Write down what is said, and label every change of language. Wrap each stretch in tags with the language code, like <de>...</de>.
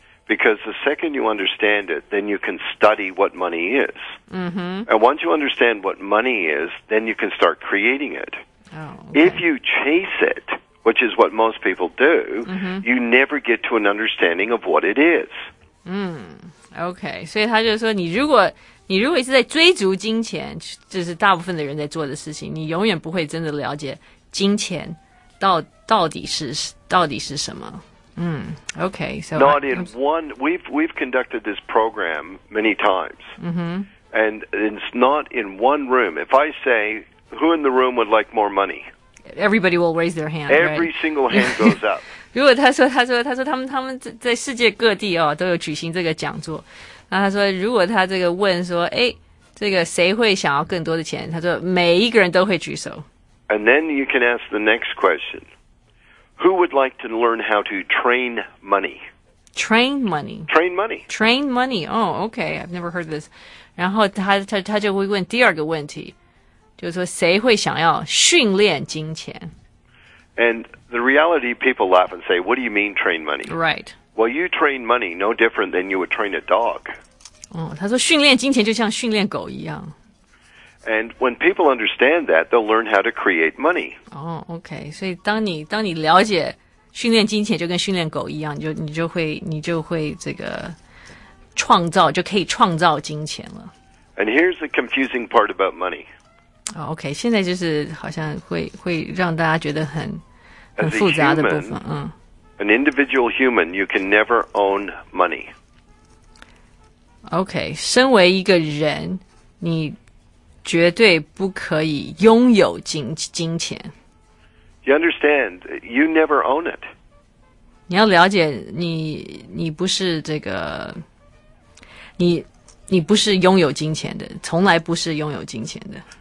<en>Because the second you understand it, then you can study what money is.、 Mm-hmm. And once you understand what money is, then you can start creating it.、 Oh, okay. If you chase it, which is what most people do,、 mm-hmm. you never get to an understanding of what it is.、</en> <zh>Okay, 所以他就说你如果一直在追逐金钱，这是大部分的人在做的事情，你永远不会真的了解金钱到底是什么。</zh> <en>Okay, so we've conducted this program many times、 mm-hmm. and it's not in one room. If I say, who in the room would like more money? Everybody will raise their hand. Every、 right? single hand goes up.</en> <zh>如果他说他们在世界各地、哦、都有举行这个讲座，那他说如果他这个问说诶这个谁会想要更多的钱，他说每一个人都会举手。</zh> <en>And then you can ask the next questionWho would like to learn how to train money? Train money. Oh, okay. I've never heard this.</en> <zh>然后他就会问第二个问题，就是说谁会想要训练金钱？</zh> <en>And the reality, people laugh and say, what do you mean train money? Right. Well, you train money no different than you would train a dog.</en> <zh>他说训练金钱就像训练狗一样。</zh> <en>And when people understand that, they'll learn how to create money. Oh, okay.</en> <zh>所以当你了解训练金钱就跟训练狗一样，你就会这个创造，就可以创造金钱了。</zh> <en>And here's the confusing part about money. Oh, okay.</en> <zh>现在就是好像会让大家觉得很复杂的部分。</zh> <en>An individual human, you can never own money. Okay.</en> <zh>身为一个人，你绝对不可以拥有金钱。</zh> <en>You understand? You never own it.</en> <zh>你要了解你不是这个，你不是拥有金钱的，从来不是拥有金钱的。</zh>